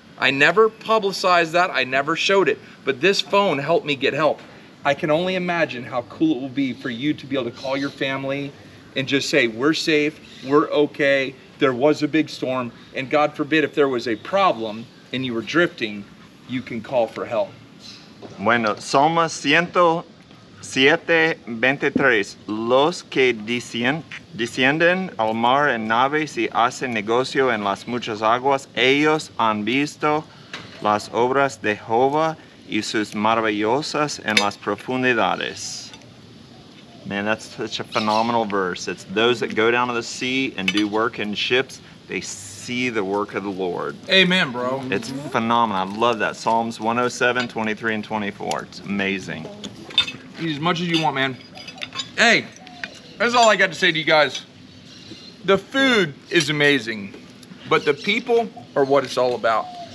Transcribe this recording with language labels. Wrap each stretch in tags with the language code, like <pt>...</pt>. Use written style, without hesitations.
<en>I never publicized that, I never showed it, but this phone helped me get help. I can only imagine how cool it will be for you to be able to call your family and just say, we're safe, we're okay, there was a big storm, and God forbid if there was a problem and you were drifting, you can call for help.</en> <es>Bueno, somos 123 los que descienden al mar en naves y hacen negocio en las muchas aguas. Ellos han visto las obras de Jehová y sus maravillosas en las profundidades.</es> <en>Man, that's such a phenomenal verse. It's those that go down to the sea and do work in ships, they see the work of the Lord. Amen, bro. It's phenomenal. I love that. Psalms 107, 23 and 24. It's amazing. Eat as much as you want, man. Hey, that's all I got to say to you guys. The food is amazing, but the people are what it's all about.</en>